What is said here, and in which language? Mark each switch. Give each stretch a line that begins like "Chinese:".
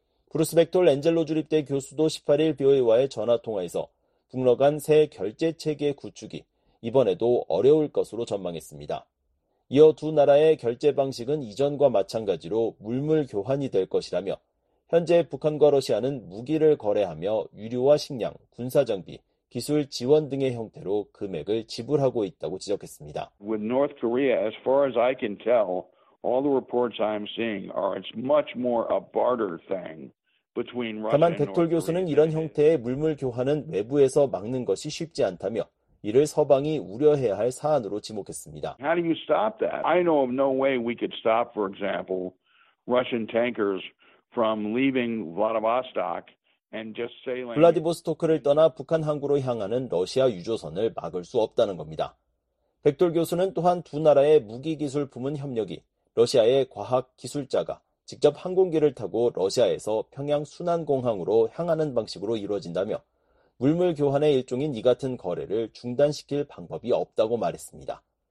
Korean: 브루스 백톨 엔젤로 주립대 교수도 18일 BOA와의 전화통화에서 북러 간 새 결제 체계 구축이 이번에도 어려울 것으로 전망했습니다. 이어 두 나라의 결제 방식은 이전과 마찬가지로 물물 교환이 될 것이라며 현재 북한과 러시아는 무기를 거래하며 유류와 식량, 군사장비, 기술 지원 등의 형태로 금액을 지불하고 있다고 지적했습니다.
English: With North Korea, as far as I can tell, all the reports I'm seeing are it's much more a barter thing between Russia.
Korean: 다만 백톨 교수는 이런 형태의 물물 교환은 외부에서 막는 것이 쉽지 않다며 이를 서방이 우려해야 할 사안으로 지목했습니다.
English: How do you stop that? I know of no way we could stop, for example, Russian tankers from leaving Vladivostok.
Korean: 블라디보스토크를 떠나 북한 항구로 향하는 러시아 유조선을 막을 수 없다는 겁니다. 백돌 교수는 또한 두 나라의 무기기술 부문 협력이 러시아의 과학기술자가 직접 항공기를 타고 러시아에서 평양 순안공항으로 향하는 방식으로 이루어진다며 물물 교환의 일종인 이 같은 거래를 중단시킬 방법이 없다고 말했습니다.